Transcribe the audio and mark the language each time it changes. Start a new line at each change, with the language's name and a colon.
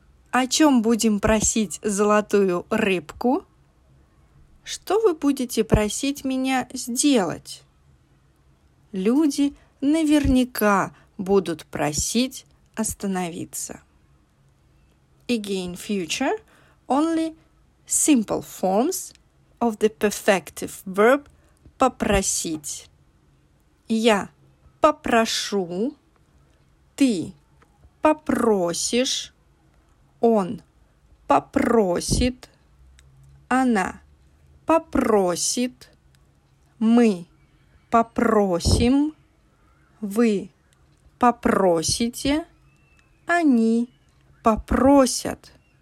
Russian: О чем будем просить золотую рыбку? Что вы будете просить меня сделать? Люди наверняка будут просить остановиться.
English: Again, future, only simple forms of the perfective verb
Russian: попросить. Я попрошу, ты попросишь, он попросит, она попросит, мы попросим, вы попросите, они попросят.